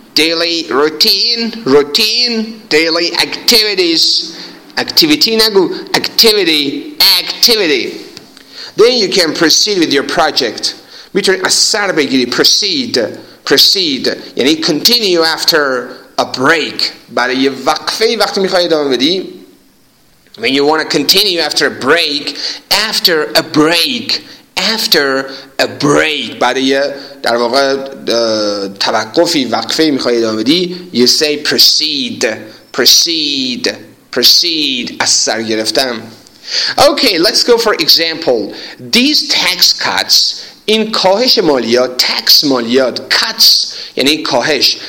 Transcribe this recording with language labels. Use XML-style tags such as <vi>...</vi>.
<en>Daily routine. Routine. Daily activities. Activity نگو. Activity. Activity. Then you can proceed with your project.</en> <fa>میتونی اثر بگیری. Proceed. Proceed.</fa> <en>یعنی continue after a break.</en> <fa>بعد یه وقفه وقت میخوای ادامه بدی.</fa> <en>When you want to continue after a break. After a break. After a break.</en> <fa>بعد یه در واقع توقفی وقفه میخوای ادامه بدی.</fa> <en>You say proceed. Proceed. Proceed.</en> <fa>اثر گرفتم.</fa> <en>Okay, let's go for example. These tax cuts,</en> <fa>این کاهش مالیات, tax مالیات, cuts, یعنی کاهش.</fa>